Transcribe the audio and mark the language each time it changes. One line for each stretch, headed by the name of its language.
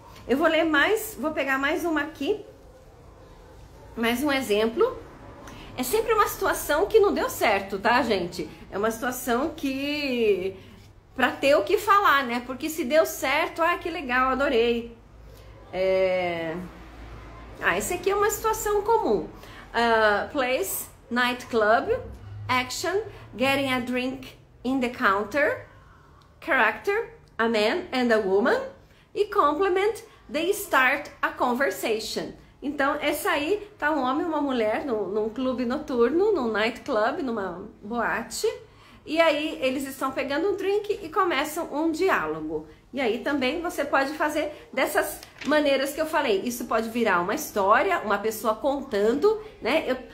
Portuguese: Eu vou ler mais, vou pegar mais uma aqui, mais um exemplo. É sempre uma situação que não deu certo, tá, gente? É uma situação que para ter o que falar, né? Porque se deu certo, ah, que legal, adorei. Esse aqui é uma situação comum.
English: Place, nightclub, action, getting a drink in the counter, character, a man and a woman,
Portuguese: e
English: compliment, they start a conversation.
Portuguese: Então, essa aí tá um homem e uma mulher num clube noturno, num nightclub, numa boate. E aí eles estão pegando um drink e começam um diálogo. E aí também você pode fazer dessas maneiras que eu falei. Isso pode virar uma história, uma pessoa contando, né?